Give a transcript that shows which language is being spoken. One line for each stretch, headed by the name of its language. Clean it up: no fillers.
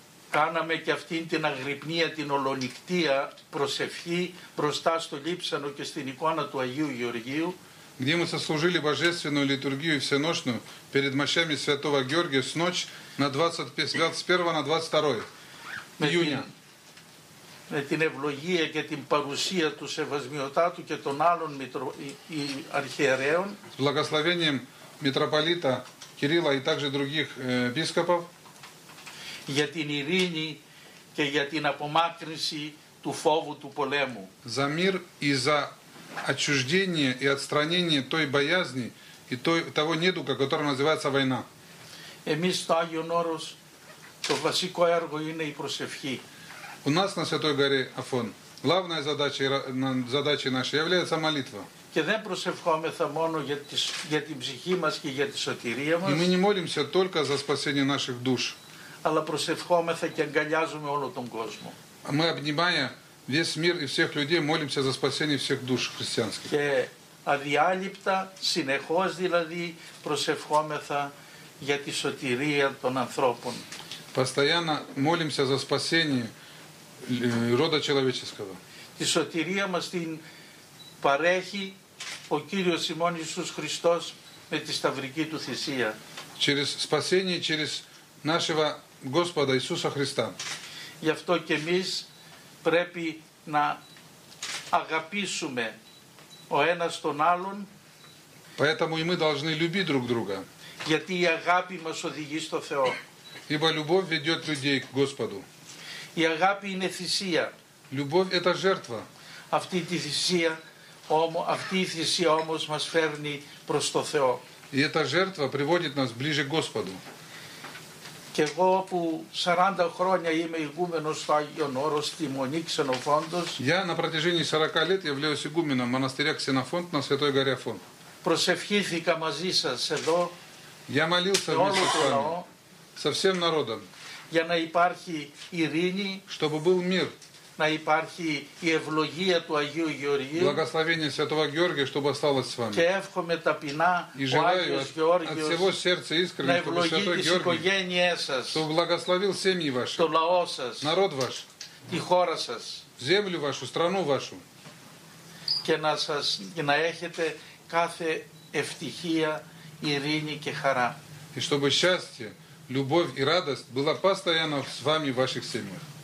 Greek: κάναμε και αυτήν την αγρυπνία, την ολονυκτία προσευχή μπροστά στο Λείψανο και στην εικόνα του Αγίου Γεωργίου.
Russian: Где мы сослужили божественную литургию всеношную перед мощами Святого Георгия с ночь на 21 на 22 июня.
Greek: με την ευλογία και την παρουσία του Σεβασμιωτάτου και των άλλων αρχιερέων.
Russian: С благословением митрополита Кирилла и также других епископов.
Greek: Για την ειρήνη και για την απομάκρυνση του φόβου του πολέμου.
Russian: За мир и за отчуждение и отстранение той боязни и того недуга, который называется война.
Greek: Εμείς στο Άγιον Όρος το βασικό έργο είναι η προσευχή.
Russian: У нас на Святой Горе Афон главная задача нашей является молитва.
Greek: Και δεν προσευχόμεθα μόνο για την ψυχή μας και για τη σωτηρία μας.
Russian: И мы не молимся только за спасение наших душ.
Greek: Αλλά προσευχόμεθα και αγκαλιάζουμε όλο τον κόσμο.
Russian: Мы обнимая весь мир и всех людей молимся за спасение всех душ христианских.
Greek: Και αδιάλειπτα, συνεχώς δηλαδή, προσευχόμεθα για τη σωτηρία των ανθρώπων.
Russian: Постоянно молимся за спасение рода человеческого.
Greek: Τη σωτηρία μας την παρέχει ο Κύριος ημών Ιησούς Χριστός με τη σταυρική του θυσία.
Russian: Через спасение через нашего Господа Иисуса Христа.
Greek: Γι' αυτό και εμείς πρέπει να αγαπήσουμε ο ένας τον άλλον.
Russian: Поэтому и мы должны любить друг друга.
Greek: Γιατί η αγάπη μας οδηγεί στο Θεό.
Russian: Ибо любовь ведет людей к Господу.
Greek: Η αγάπη είναι θυσία.
Russian: Любовь это жертва.
Greek: Αυτή τη θυσία αυτή η θυσία όμως μας φέρνει προς το Θεό.
Russian: И эта жертва приводит нас ближе к Господу.
Greek: Και εγώ που 40 χρόνια είμαι ηγούμενος στο Άγιον Όρος, στη Μονή Ξενοφόντος.
Russian: Я на протяжении 40 лет являюсь игуменом монастыря Ξενοφόντ на Святой Горе Афон.
Greek: Προσευχήθηκα μαζί σας εδώ.
Russian: Я молился вместе с вами, со всем народом.
Greek: Για να υπάρχει ειρήνη.
Russian: Чтобы был мир.
Greek: Να υπάρχει η ευλογία του Αγίου Γεωργίου.
Russian: Благословение Святого Георгия, чтобы осталось с вами.
Greek: Και εύχομαι ταπεινά
Russian: и
Greek: ο Άγιος Γεώργιος
Russian: от всего сердца искренне,
Greek: να ευλογεί
Russian: чтобы
Greek: τις οικογένειές σας,
Russian: чтобы благословил семьи ваши,
Greek: το λαό σας,
Russian: народ ваш,
Greek: τη χώρα σας,
Russian: землю вашу, страну вашу.
Greek: Και να σας, και να έχετε κάθε ευτυχία, ειρήνη και χαρά.
Russian: И чтобы счастье, любовь и радость была постоянно с вами в ваших семьях.